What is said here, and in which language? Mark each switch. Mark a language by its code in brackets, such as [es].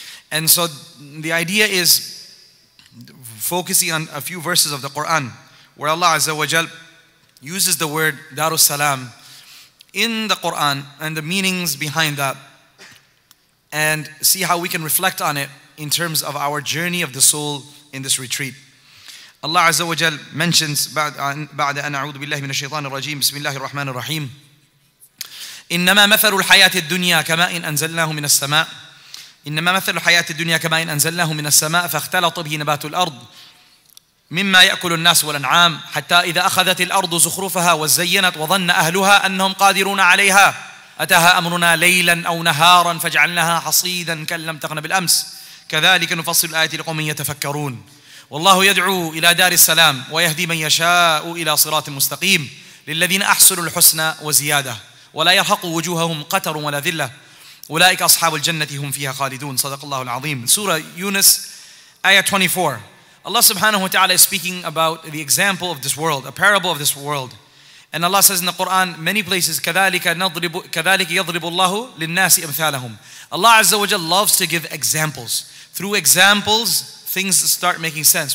[en] And so the idea is focusing on a few verses of the Quran where Allah Azza wa Jal uses the word DarusSalam in the Quran and the meanings behind that, and see how we can reflect on it in terms of our journey of the soul in this retreat. Allah Azza wa Jal mentions, [ar] بعد أن أعوذ بالله من الشيطان الرجيم بسم الله الرحمن الرحيم إنما مثل الحياة الدنيا كما إن أنزلناه من السماء إنما مثل الحياة الدنيا كما إن أنزلناه من السماء فاختلط به نبات الأرض مما يأكل الناس والأنعام حتى إذا أخذت الأرض زخرفها وزينت وظن أهلها أنهم قادرون عليها أتاها أمرنا ليلا أو نهارا فجعلناها حصيدا كأن لم تغن بالأمس كذلك نفصل الآيات لقوم يتفكرون والله يدعو إلى دار السلام ويهدي من يشاء إلى صراط مستقيم للذين أحسنوا الحسنى وزيادة ولا يرهق وجوههم قتر ولا ذلة أولئك أصحاب الجنة هم فيها خالدون صدق الله العظيم. سورة يونس آية 24. [en] Allah subhanahu wa ta'ala is speaking about the example of this world, a parable of this world. And Allah says in the Quran many places, [ar] كَذَلِكَ يَضْرِبُ اللَّهُ لِلنَّاسِ أَمْثَالَهُمْ. [en] Allah Azza wa Jalla loves to give examples. Through examples, things start making sense.